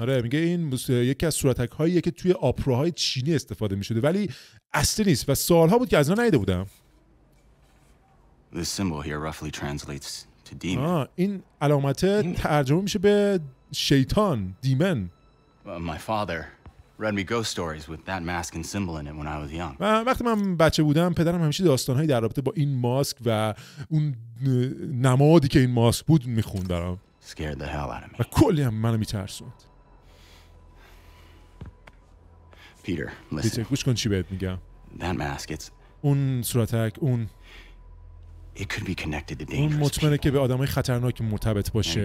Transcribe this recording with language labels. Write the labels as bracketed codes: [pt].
[fa] آره میگه این یکی از صورتک‌هاییه که توی اپراهای چینی استفاده می‌شده ولی اصلی نیست و سال‌ها بود که از اینا ندیده بودم. [en] This symbol here roughly translates to demon. [fa] این علامت ترجمه میشه به شیطان، دیمن. [en] My father read me ghost stories with that mask and symbol in it when I was young. [fa] وقتی من بچه بودم پدرم همیشه داستان‌های در رابطه با این ماسک و اون نمادی که این ماسک بود می‌خوند برام. [en] Scared the hell out of me. [fa] و کلی هم منو می‌ترسوند. [en] Peter, listen. [fa] پیتر، گوش کن چی بهت میگم. [en] That mask, it's [fa] اون صورتک، اون [en] It could be connected to dangerous. [fa] اون مطمئنه که به آدمای خطرناک مرتبط باشه.